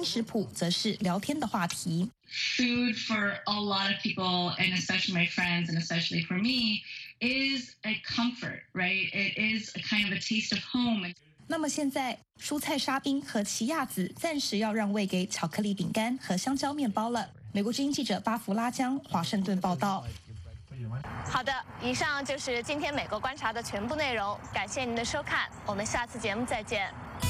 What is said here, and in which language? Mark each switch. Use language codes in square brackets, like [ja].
[zh] 在旅行和与朋友相聚都不可能的时候，烘焙给人们一个刷新社交网络的理由，而尝试新食谱则是聊天的话题。 [en] Food for a lot of people, and especially my friends, and especially for me, is a comfort, right? It is a kind of a taste of home. [zh] 那么现在，蔬菜沙冰和奇亚籽暂时要让位给巧克力饼干和香蕉面包了。美国之音记者巴弗拉江，华盛顿报道。好的，以上就是今天美国观察的全部内容。感谢您的收看，我们下次节目再见。